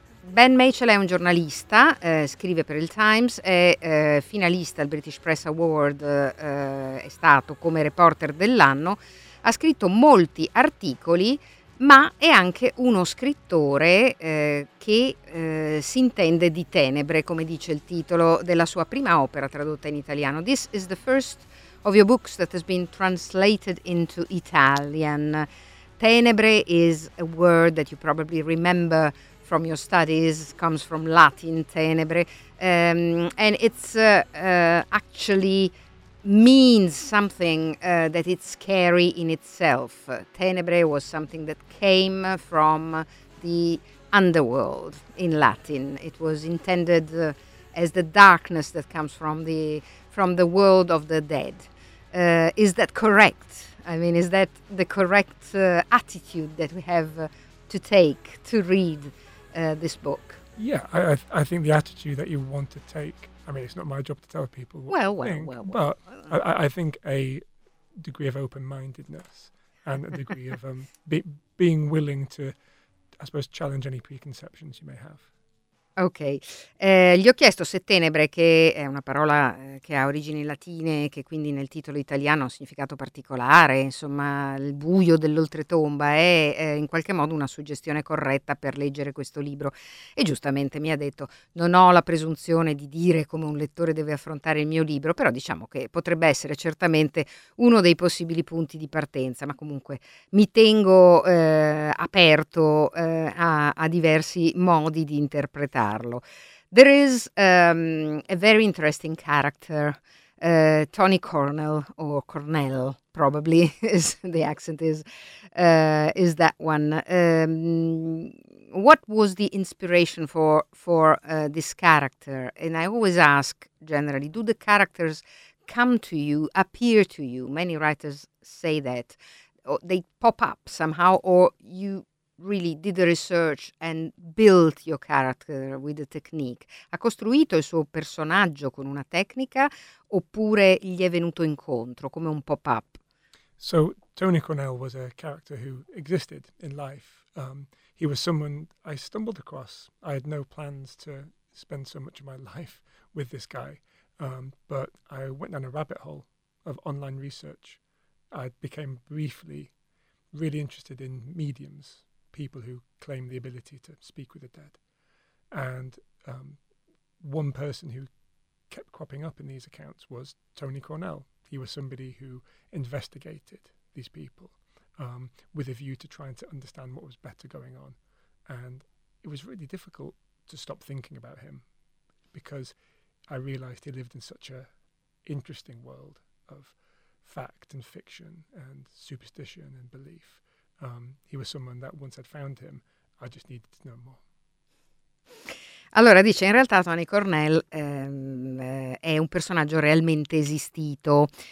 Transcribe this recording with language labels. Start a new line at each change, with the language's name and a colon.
Italian: Ben Machel è un giornalista, scrive per il Times, è finalista al British Press Award, è stato come reporter dell'anno, ha scritto molti articoli, ma è anche uno scrittore che si intende di tenebre, come dice il titolo della sua prima opera tradotta in italiano.
English: This is the first of your books that has been translated into Italian. Tenebre is a word that you probably remember from your studies, comes from Latin, tenebre, and it's actually means something that it's scary in itself. Tenebre was something that came from the underworld in Latin. It was intended as the darkness that comes from the world of the dead. Is that correct? I mean, is that the correct attitude that we have to take to read this book? Yeah, I think the attitude that you want to take, I mean, it's not my job to tell people what but I think a degree of open-mindedness and a degree of being willing to, I suppose, challenge any preconceptions you may have.
Italian: Ok, gli ho chiesto se tenebre, che è una parola che ha origini latine e che quindi nel titolo italiano ha un significato particolare, insomma il buio dell'oltretomba, è in qualche modo una suggestione corretta per leggere questo libro. E giustamente mi ha detto: non ho la presunzione di dire come un lettore deve affrontare il mio libro, però diciamo che potrebbe essere certamente uno dei possibili punti di partenza, ma comunque mi tengo aperto a diversi modi di interpretare.
English: There is a very interesting character, Tony Cornell, or Cornell probably, is the accent is that one. What was the inspiration for this character? And I always ask generally, do the characters come to you, appear to you? Many writers say that. Or they pop up somehow, or you really did the research and built your character with a technique.
Italian: Ha costruito il suo personaggio con una tecnica oppure gli è venuto incontro come un pop-up?
English: So Tony Cornell was a character who existed in life. He was someone I stumbled across. I had no plans to spend so much of my life with this guy, but I went down a rabbit hole of online research. I became briefly really interested in mediums, people who claim the ability to speak with the dead. And one person who kept cropping up in these accounts was Tony Cornell. He was somebody who investigated these people with a view to trying to understand what was better going on. And it was really difficult to stop thinking about him because I realized he lived in such an interesting world of fact and fiction and superstition and belief. He was someone that once had found him, I just needed to know more.
Italian: Allora dice, in realtà Tony Cornell è un personaggio realmente esistito.